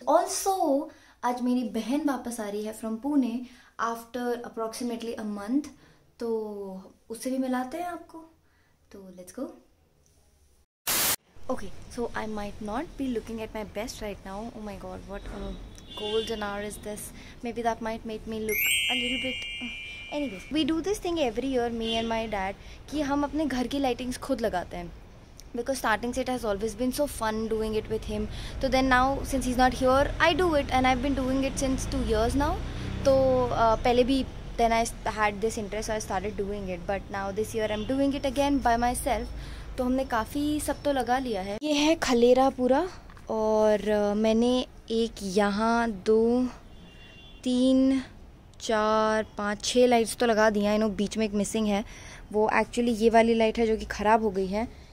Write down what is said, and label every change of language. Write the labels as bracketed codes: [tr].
[hi] Also आज मेरी बहन वापस आ रही है [en] from Pune after approximately a month, [hi] तो उससे भी मिलाते हैं आपको। [en] तो let's go. Okay, so I might not be looking at my best right now. Oh my God, what golden hour is this? Maybe that might make me look a little bit. Anyways, we do this thing every year, me and my dad, [hi] कि हम अपने घर की lightings खुद लगाते हैं, [en] because starting it has always been so fun doing it with him. So then now since he's not here, I do it and I've been doing it since 2 years now. [hi] तो पहले भी [en] then I had this interest, so I started doing it, but now this year I'm doing it again by myself. [hi] तो हमने काफ़ी सब तो लगा लिया है। ये है खलेरा पूरा, और मैंने एक यहाँ दो तीन चार पाँच छः लाइट्स तो लगा दिया। इन्हों बीच में एक मिसिंग है, वो एक्चुअली ये वाली लाइट है जो कि ख़राब हो गई है।